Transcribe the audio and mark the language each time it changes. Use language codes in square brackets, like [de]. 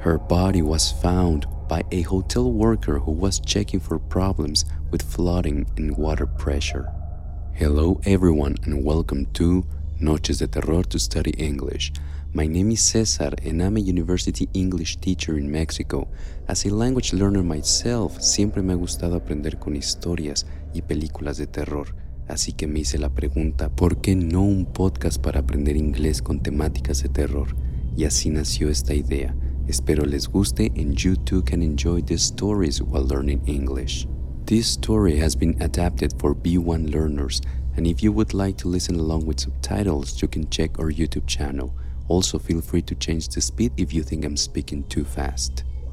[en] Her body was found by a hotel worker who was checking for problems with flooding and water pressure. Hello everyone and welcome to Noches de Terror to Study English. My name is Cesar and I'm a university English teacher in Mexico. As a language learner myself, [es] siempre me ha gustado aprender con historias y películas de terror. Así que me hice la pregunta, ¿por qué no un podcast para aprender inglés con temáticas de terror? Y así nació esta idea. Espero les guste [en] and you too can enjoy these stories while learning English. This story has been adapted for B1 learners, and if you would like to listen along with subtitles, you can check our YouTube channel. Also, feel free to change the speed if you think I'm speaking too fast.